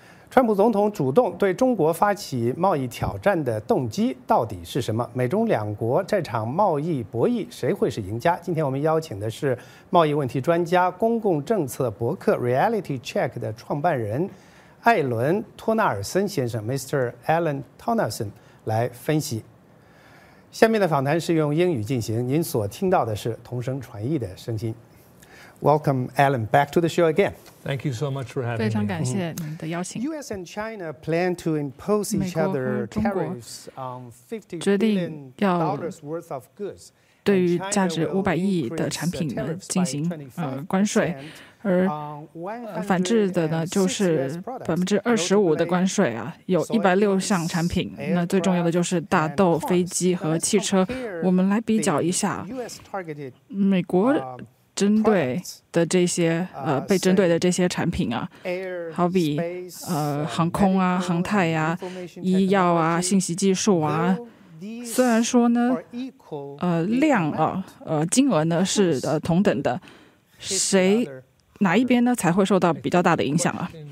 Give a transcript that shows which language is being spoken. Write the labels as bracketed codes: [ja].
[zh] 川普总统主动对中国发起贸易挑战的动机到底是什么？美中两国这场贸易博弈谁会是赢家？今天我们邀请的是贸易问题专家、公共政策博客 Reality Check 的创办人艾伦·托纳尔森先生 Mr. Alan Tonerson 来分析。下面的访谈是用英语进行，您所听到的是同声传译的声音。 [en] Welcome, Alan, back to the show again. Thank you so much for having me. [zh] 非常感谢您的邀请。 [en] US and China plan to impose each other tariffs on $50 billion worth of goods. [zh] 对于价值500亿的产品呢进行关税，而反制的呢就是25%的关税啊，有160项产品。那最重要的就是大豆、飞机和汽车。我们来比较一下，美国针对的这些被针对的这些产品啊，好比航空啊、航太呀、医药啊、信息技术啊，虽然说呢量啊金额呢是同等的，谁哪一边呢才会受到比较大的影响啊？